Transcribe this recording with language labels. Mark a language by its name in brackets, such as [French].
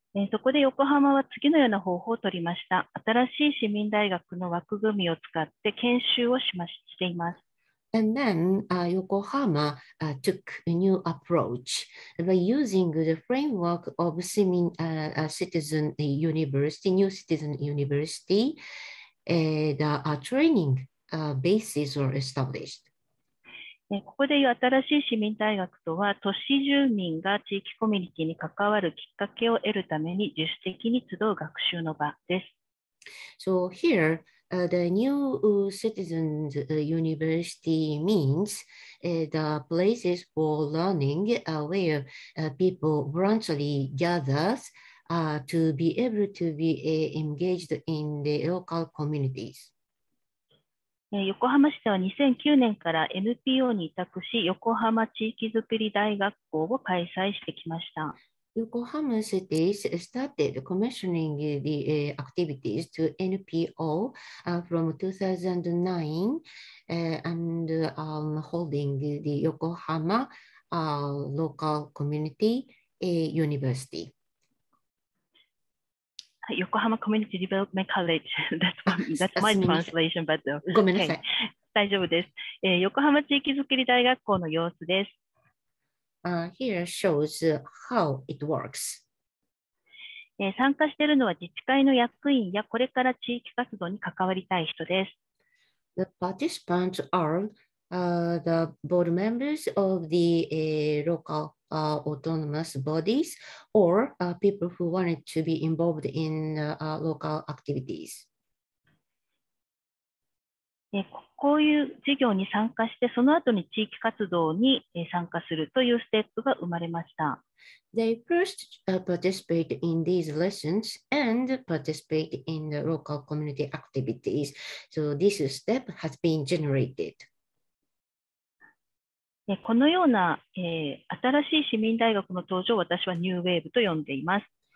[Japanese] そこで横浜は次のような方法を取りました。新しい市民大学の枠組みを使って研修をしています。 [English] And then Yokohama took a new approach by using the framework of new citizen university, the training bases were established. [Japanese] ここでいう新しい市民大学とは、都市住民が地域コミュニティに関わるきっかけを得るために自主的に集う学習の場です。 [English] So here,the new citizens university means the places for learning where people voluntarily gathers to be able to be engaged in the local communities. [Japanese] 横浜市では2009年から NPO に委託し、横浜地域づくり大学校を開催してきました。 [English] Yokohama City started commissioning the activities to NPO from 2009 and holding the Yokohama local community university. 横浜 Community Development College. That's my translation, but okay. [Japanese] 大丈夫です。横浜地域づくり大学校の様子です。 [English] Here shows how it works. [Japanese] 参加しているのは自治会の役員やこれから地域活動に関わりたい人です。 [English] The participants are the board members of the local autonomous bodies or people who wanted to be involved in local activities. [Japanese] こういう事業に参加して、その後に地域活動に参加するというステップが生まれました。 [English] They first participate in these lessons and participate in the local community activities. So this step has been generated. [Japanese] このような新しい市民大学の登場を私はニューウェーブと呼んでいます。